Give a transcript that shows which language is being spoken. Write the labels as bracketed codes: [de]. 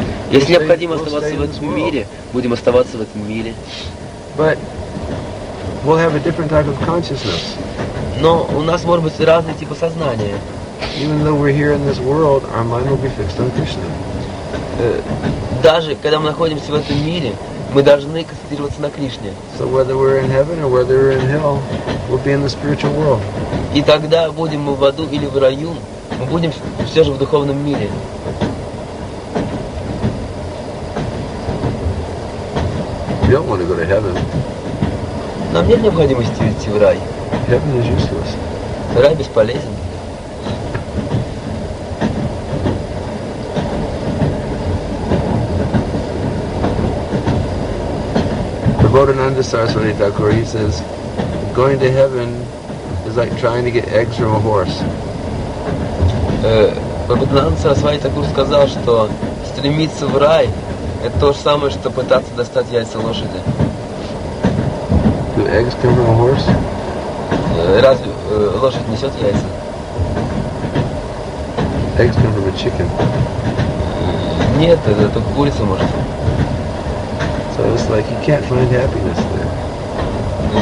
[ru] Если необходимо оставаться в этом мире, будем оставаться в этом мире. [en] But we'll have a different type of consciousness. [ru] Но у нас может быть разный тип сознания. [en] Even though we're here in this world, our mind will be fixed on Krishna. [ru] Даже когда мы находимся в этом мире, мы должны концентрироваться на Кришне. [en] So whether we're in heaven or whether we're in hell, we'll be in the spiritual world. [ru] И тогда будем мы в аду или в раю, мы будем все же в духовном мире. [en] We don't want to go to heaven. [ru] Нам нет необходимости идти в рай. [en] Heaven is useless. [ru] Рай бесполезен. [en] Bodhananda Saraswati Thakur, he says, going to heaven is like trying to get eggs from a horse. [ru] Bodhananda Saraswati Thakur сказал, что стремиться в рай это то же самое, что пытаться достать яйца лошади. [en] Do eggs come from a horse? [ru] Разве лошадь несет яйца? [en] Eggs come from a chicken. [ru] Нет, это только курица может. [en] So it's like you can't find happiness there.